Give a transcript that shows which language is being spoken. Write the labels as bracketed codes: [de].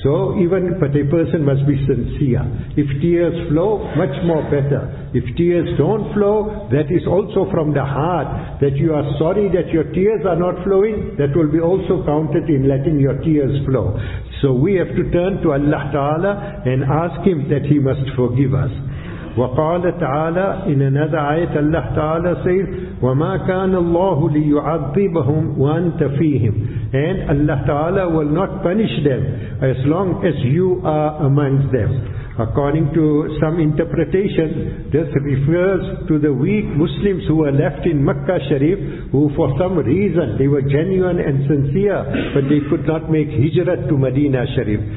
[en] So even, but a person must be sincere. If tears flow, much more better. If tears don't flow, that is also from the heart, that you are sorry that your tears are not flowing, that will be also counted in letting your tears flow. So we have to turn to Allah Ta'ala and ask Him that He must forgive us. [ar] وقال تعالى [en] in another ayat Allah Ta'ala says [ar] وَمَا كَانَ اللَّهُ لِيُعَذِّبَهُمْ وَأَنْتَ فِيهِمْ. [en] And Allah Ta'ala will not punish them as long as you are amongst them. According to some interpretations, this refers to the weak Muslims who were left in Makkah Sharif, who for some reason, they were genuine and sincere, but they could not make hijrat to Medina Sharif.